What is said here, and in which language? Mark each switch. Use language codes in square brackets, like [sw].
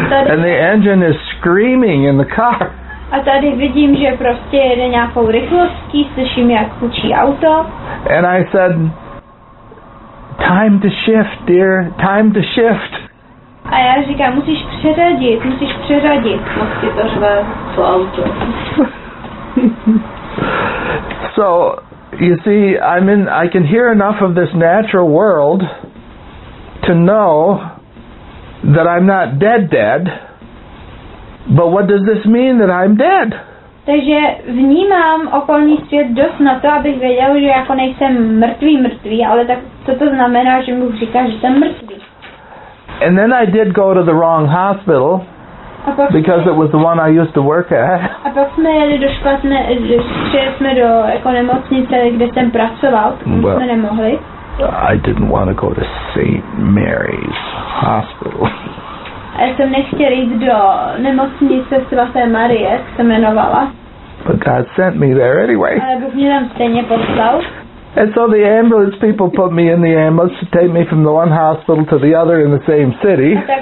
[en] And the engine is screaming in the car. [cs] A tady vidím, že prostě jede nějakou rychlostí, slyším, jak hučí auto. [en] And I said, time to shift, dear, time to shift. [cs] A já říkám, musíš přeřadit, musíš přeřadit. Mocky to řve to auto. [en] So, you see, I can hear enough of this natural world to know that I'm not dead, but what does this mean that I'm dead? [cs] Takže vnímám okolní svět dost na to, abych věděl, že jako nejsem mrtvý, ale tak co to znamená, že mu říká, že jsem mrtvý? [en] And then I did go to the wrong hospital, because it was the one I used to work at. [cs] A pak jsme jeli do špatné, šli jsme do jako nemocnice, kde jsem pracoval, kde jsme nemohli. [en] I didn't want to go to St. Mary's Hospital. [cs] A já jsem nechtěl jít do nemocnice svaté Marie, jak se jmenovala. [en] But God sent me there anyway. [cs] Ale Bůh mě tam stejně poslal. [en] And so the ambulance people put me in the ambulance to take me from the one hospital to the other in the same city.